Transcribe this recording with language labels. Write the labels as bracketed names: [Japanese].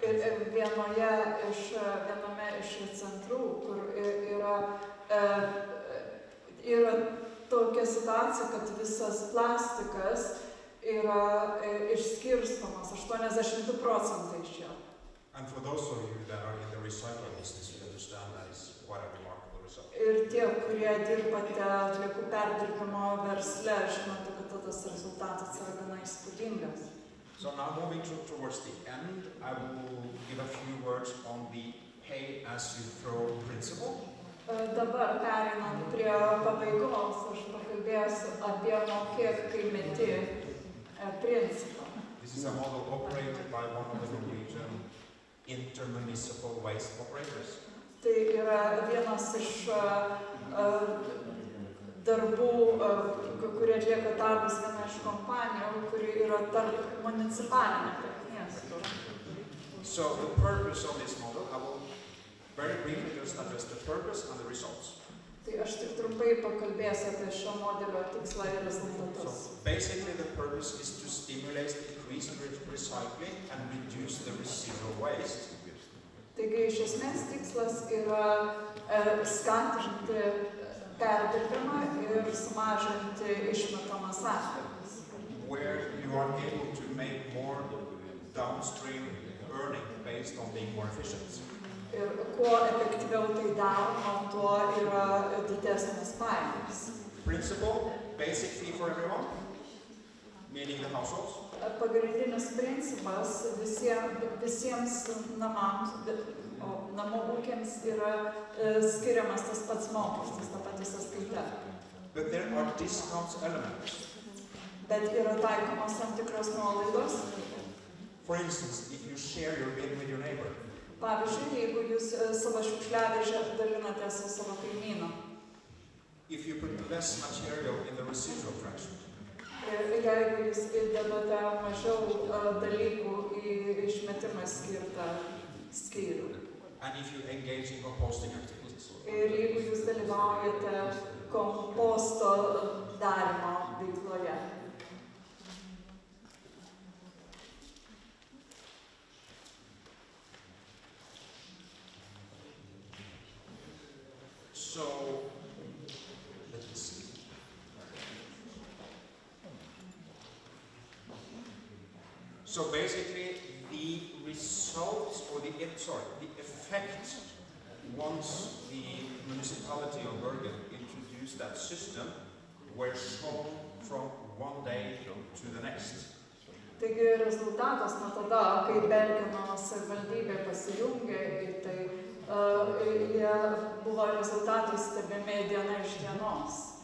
[Lithuanian] Viename iš centrų, kur yra tokia situacija, kad visas plastikas yra išskirstomas 82% iš jo. [English] And for those of you that are in the recycling business, you understand that is quite a remarkable result. [Lithuanian] Ir tie, kurie dirbate atliekų perdirbimo versle, žinote, kad tas rezultatas yra gana įspūdingas. [English] So now moving towards the end, I will give a few words on the pay as you throw principle. [Lithuanian] Dabar perinant prie pabaigos, aš pakalbėsiu apie mokėk, kai meti principą. [English] This is a model operated by one of the Norwegian intermunicipal waste operators. [Lithuanian] Tai yra vienas iš darbų, kurie atlieka darbas viena iš kompanijų, kuri yra tarp municipalinė. [English] So the purpose of this model, I will very briefly just address the purpose and the results. [Lithuanian] Tai aš tik trumpai pakalbėsiu apie šio modelio tikslą ir rezultatus. [English] So basically the purpose is to stimulate increased recycling and reduce the residual waste. [Lithuanian] Taigi iš esmės tikslas yra skatinti perdirbimą ir sumažinti išmetamas atliekas. [English] Where you are able to make more downstream earning based on being more efficient. [Lithuanian] Ir kuo efektyviau tai daroma, tuo yra didesnės pajamos. [English] Principle, basic fee for everyone, meaning the households. [Lithuanian] Pagrindinis principas visiems namams, namų ūkiams yra skiriamas tas pats mokestis, ta pati sąskaita. [English] But there are discount elements. [Lithuanian] Bet yra taikomos tam tikros nuolaidos. [English] For instance, if you share your bin with your neighbor. [Lithuanian] Pavyzdžiui, jeigu jūs savo šiukšliadėžę dalinate su savo kaimynu. [English] If you put less material in the residual fraction. [Lithuanian] Jeigu jūs įdedate mažiau dalykų į išmetimą skirtą skyrių. [English] And if you engage in composting activities. [Lithuanian] Ir jeigu jūs dalyvaujate komposto darymo veikloje. [English] So, let me see. So basically, the results or the effect once the municipality of Bergen introduced that system were shown from one day to the next. [Lithuanian] Taigi rezultatas nuo tada, kai Bergeno savivaldybė pasijungė ir tai jie buvo rezultatai stebimi diena iš dienos.